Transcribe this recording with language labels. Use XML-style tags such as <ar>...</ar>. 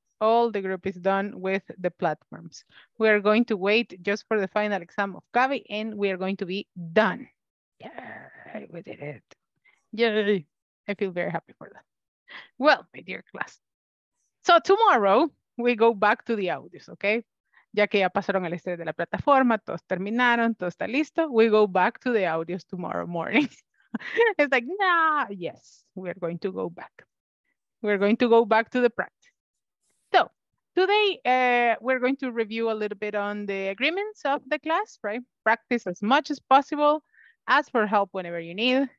<en>All the group is done with the platforms. We are going to wait just for the final exam of Gabi and we are going to be done. Yay, we did it. Yay. I feel very happy for that. Well, my dear class. So, tomorrow, we go back to the audios, okay?</en> <es>Ya que ya pasaron el estrés de la plataforma, todos terminaron, todo está listo.</es> <en>We go back to the audios tomorrow morning. It's like, nah, yes, we are going to go back. We are going to go back to the practice. So, today we're going to review a little bit on the agreements of the class, right? Practice as much as possible. Ask for help whenever you need.</en>